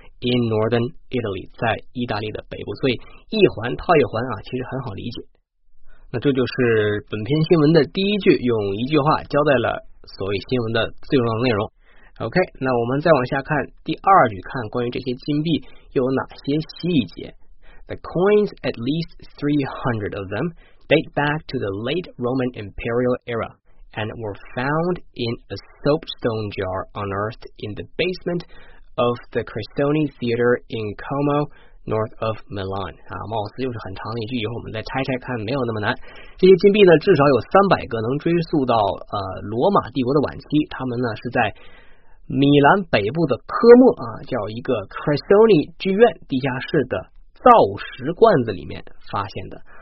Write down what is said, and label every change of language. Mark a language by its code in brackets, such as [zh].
[en] In northern Italy， [zh] 在意大利的北部。所以一环套一环啊，其实很好理解。那这就是本篇新闻的第一句，用一句话交代了所谓新闻的最重要的内容。 OK， 那我们再往下看第二句，看关于这些金币有哪些细节。 [en] The coins, at least 300 of them, date back to the late Roman imperial era and were found in a soapstone jar unearthed in the basement of the Cressoni Theater in Como, north of Milan. [zh] 啊，貌似又是很长的一句，以后我们再拆拆看，没有那么难。这些金币呢，至少有300个能追溯到罗马帝国的晚期，他们呢是在米兰北部的科莫啊，叫一个 Cressoni 剧院地下室的造石罐子里面发现的。